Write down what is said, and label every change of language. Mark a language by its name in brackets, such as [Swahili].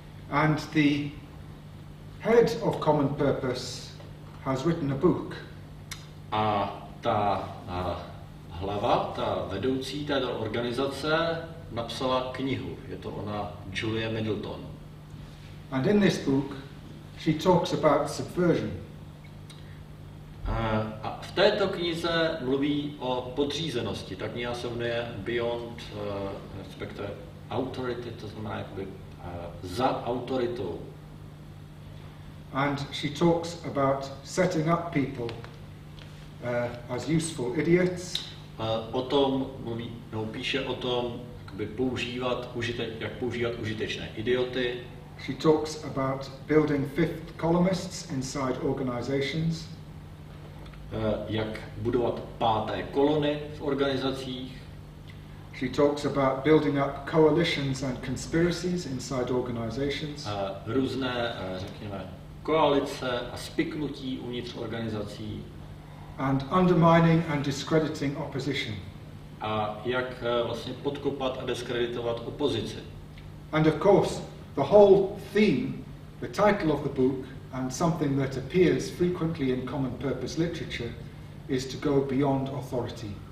[English] And the head of Common Purpose has written a book. [Czech] A ta hlava, ta vedoucí této organizace napsala knihu. Je to ona Julia Middleton. [English] And in this book she talks about subversion. [Czech] A v této knize mluví o podřízenosti. Ta kniha se jmenuje Beyond respektive Authority, to znamená jakoby za autoritou. [English] And she talks about setting up people as useful idiots. [Czech] O tom mluví, no, píše o tom, jakoby používat užitečné idioty. [English] She talks about building fifth columnists inside organizations. [Czech] Jak budovat páté kolony v organizacích. [English] She talks about building up coalitions and conspiracies inside organizations. [Czech] Různé, řekněme, koalice a spiknutí uvnitř organizací. [English] And undermining and discrediting opposition. [Czech] A jak vlastně podkopat a diskreditovat opozici. [English] And of course, the whole theme, the title of the book, and something that appears frequently in common purpose literature, is to go beyond authority.